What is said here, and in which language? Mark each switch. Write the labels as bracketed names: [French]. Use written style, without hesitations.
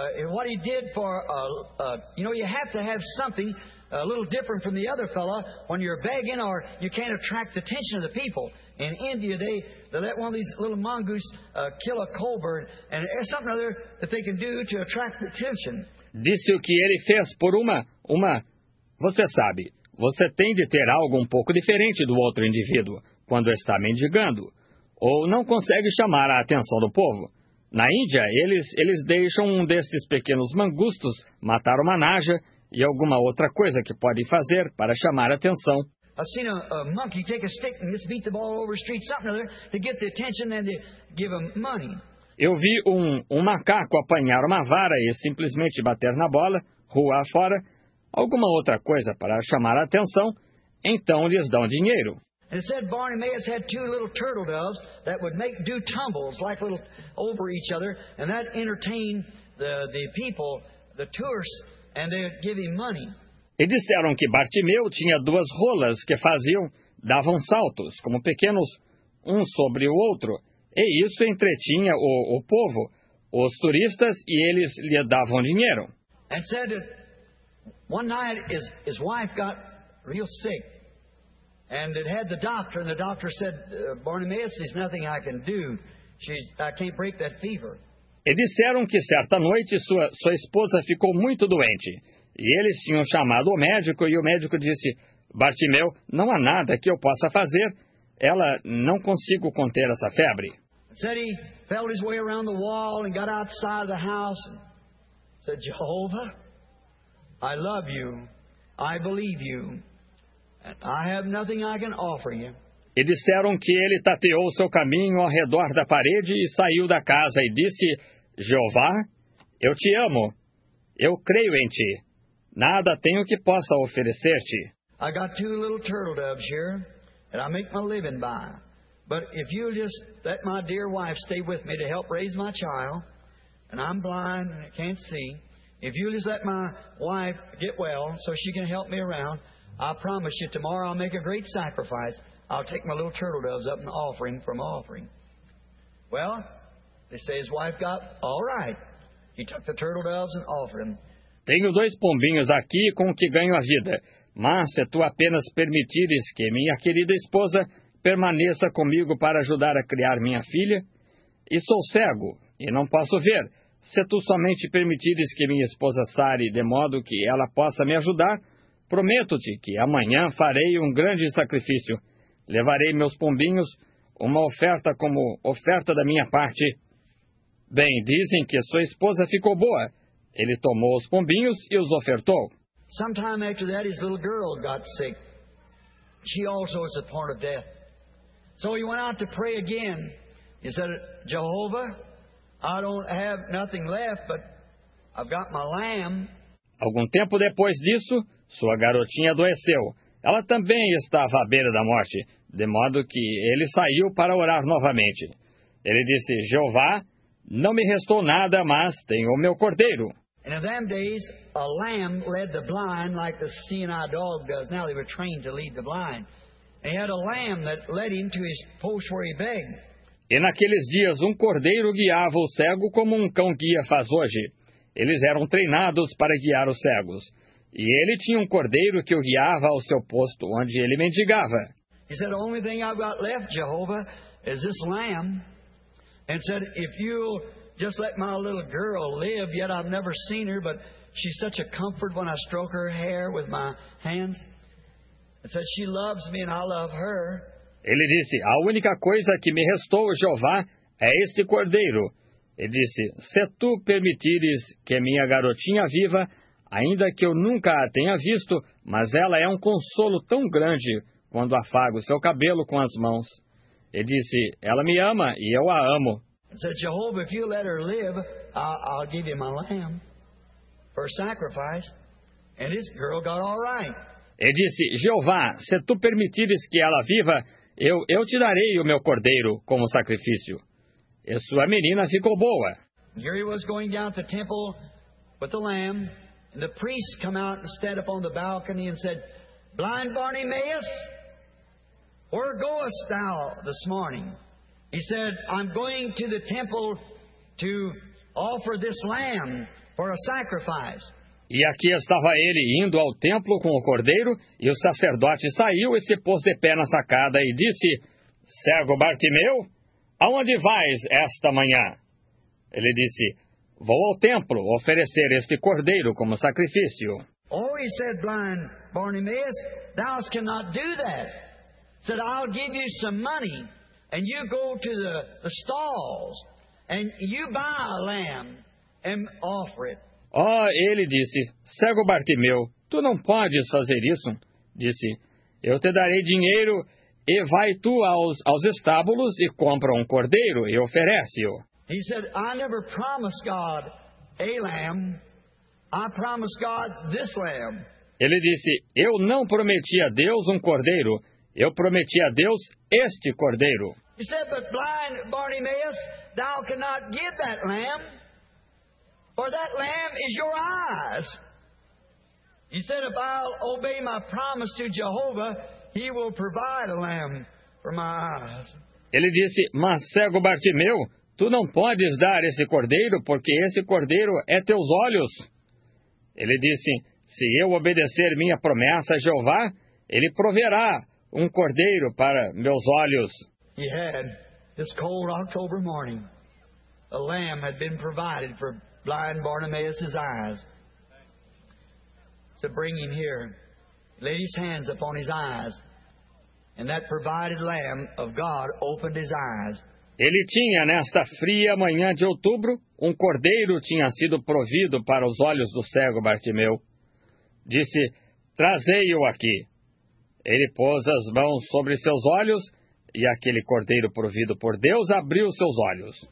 [English] What he did for you have to have something a little different from the other fella when you're begging or you can't attract the attention of the people. In India, they let one of these little mongoose kill a cobra and there's something other that they can do to attract the attention. [Portuguese] Disse o que ele fez por uma... Você sabe, você tem de ter algo um pouco diferente do outro indivíduo quando está mendigando ou não consegue chamar a atenção do povo. Na Índia, eles deixam um desses pequenos mangustos matar uma naja e alguma outra coisa que pode fazer para chamar atenção. [English] I've seen a monkey take a stick and just beat the ball over the street, something other, to get the attention and to give them money. [Portuguese] Eu vi um macaco apanhar uma vara e simplesmente bater na bola, rua afora, alguma outra coisa para chamar atenção, então lhes dão dinheiro. [English] And it said Bartimaeus had two little turtle doves that would make do tumbles like little over each other, and that entertained the people, the tourists. And they give him money. [Portuguese] E disseram que Bartimeu tinha duas rolas que davam saltos, como pequenos, um sobre o outro. E isso entretinha o povo, os turistas, e eles lhe davam dinheiro. [English] And said that one night his wife got real sick. And it had the doctor, and the doctor said, Bartimeus, there's nothing I can do. I can't break that fever. [Portuguese] E disseram que certa noite sua esposa ficou muito doente. E eles tinham chamado o médico e o médico disse, Bartimeu, não há nada que eu possa fazer. Ela não consigo conter essa febre. [English] Said he felt his way around the wall and got outside of the house. Said, Jehovah, I love you. I believe you. And I have nothing I can offer you. [Portuguese] E disseram que ele tateou seu caminho ao redor da parede e saiu da casa e disse, Jeová, eu te amo. Eu creio em ti. Nada tenho que possa oferecer-te. [English] I got two little turtle doves here, and I make my living by. But if you just let my dear wife stay with me to help raise my child, and I'm blind and I can't see, if you just let my wife get well so she can help me around, I promise you tomorrow I'll make a great sacrifice. I'll take my little turtle doves up and offering from offering. Well, they say his wife got all right. He took the turtle doves and offered them. [Portuguese] Tenho dois pombinhos aqui com que ganho a vida. Mas se tu apenas permitires que minha querida esposa permaneça comigo para ajudar a criar minha filha, e sou cego e não posso ver, se tu somente permitires que minha esposa sare de modo que ela possa me ajudar, prometo-te que amanhã farei um grande sacrifício. Levarei meus pombinhos, uma oferta como oferta da minha parte. Bem, dizem que sua esposa ficou boa. Ele tomou os pombinhos e os ofertou. [English] Sometime after that, his little girl got sick. She also was at the point of death. So he went out to pray again. He said, Jehovah, I don't have nothing left, but I've got my lamb. [Portuguese] Algum tempo depois disso, sua garotinha adoeceu. Ela também estava à beira da morte, de modo que ele saiu para orar novamente. Ele disse, Jeová, não me restou nada, mas tenho o meu cordeiro. [English] And in them days, a lamb led the blind like the seeing-eye dog does. Now they were trained to lead the blind. And he had a lamb that led him to his post where he begged. [Portuguese] E naqueles dias, um cordeiro guiava o cego como um cão guia faz hoje. Eles eram treinados para guiar os cegos. E ele tinha um cordeiro que o guiava ao seu posto onde ele mendigava. [English] He said, the only thing I've got left, Jehovah, is this lamb. And said, if you... just let my little girl live, yet I've never seen her, but she's such a comfort when I stroke her hair with my hands. It says she loves me and I love her. [Portuguese] Ele disse, a única coisa que me restou, Jeová, é este cordeiro. Ele disse, se tu permitires que minha garotinha viva, ainda que eu nunca a tenha visto, mas ela é um consolo tão grande quando afago seu cabelo com as mãos. Ele disse, ela me ama e eu a amo. [English] Said, Jehovah, if you let her live, I'll give you my lamb for sacrifice. And this girl got all right. [Portuguese] E disse, Jeová, se tu permitires que ela viva, eu te darei o meu cordeiro como sacrifício. E sua menina ficou boa. [English] Here he was going down to the temple with the lamb, and the priest come out and stand up on the balcony and said, blind Bartimaeus, where goest thou this morning? He said, I'm going to the temple to offer this lamb for a sacrifice. [Portuguese] E aqui estava ele indo ao templo com o cordeiro, e o sacerdote saiu e se pôs de pé na sacada e disse, cego Bartimeu, aonde vais esta manhã? Ele disse, vou ao templo oferecer este cordeiro como sacrifício. [English] Oh, he said, blind Bartimaeus, thou cannot do that. He said, I'll give you some money. And you go to the stalls, and you buy a lamb, and offer it. [Portuguese] Oh, ele disse, cego Bartimeu, tu não podes fazer isso. Disse, eu te darei dinheiro, e vai tu aos estábulos e compra um cordeiro e oferece-o. [English] He said, I never promised God a lamb, I promised God this lamb. [Portuguese] Ele disse, eu não prometi a Deus um cordeiro. Eu prometi a Deus este cordeiro. [English] He said, but blind Bartimaeus, thou cannot give that lamb, for that lamb is your eyes. He said, if I'll obey my promise to Jehovah, he will provide a lamb for my eyes. [Portuguese] Ele disse, mas cego Bartimeu, tu não podes dar esse cordeiro, porque esse cordeiro é teus olhos. Ele disse, se eu obedecer minha promessa a Jeová, ele proverá um cordeiro para meus olhos. [English] He had this cold October morning. A lamb had been provided for blind Bartimaeus's eyes. So bring him here. He laid his hands upon his eyes. And that provided lamb of God opened his eyes. [Portuguese] Ele tinha, nesta fria manhã de outubro, um cordeiro tinha sido provido para os olhos do cego Bartimeu. Disse, trazei-o aqui. Ele pôs as mãos sobre seus olhos e aquele cordeiro provido por Deus abriu seus olhos.